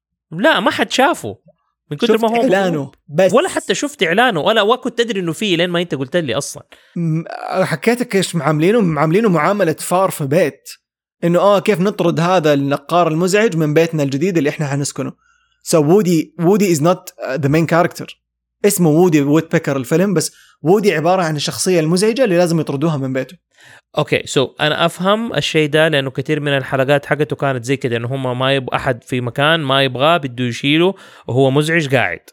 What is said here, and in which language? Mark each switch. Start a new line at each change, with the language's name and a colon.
Arabic: لا ما حد شافه. من كتر ما هو إعلانه بس. ولا حتى شفت إعلانه ولا كنت تدري إنه فيه لين ما أنت قلت لي أصلاً. حكيتك إيش معاملينه معاملة فار في بيت إنه كيف نطرد هذا النقار المزعج من بيتنا الجديد اللي إحنا هنسكنه.
English: So Woody is not the main character.
Arabic: اسمه Woody Woodpecker الفيلم بس Woody عبارة عن الشخصية المزعجة اللي لازم يطردوها من بيته. أوكي سو أنا أفهم الشيء ده لأنه كثير من الحلقات حقته كانت زي كده إنه هما ما يبغى أحد في مكان ما يبغاه بده يشيله وهو مزعج قاعد.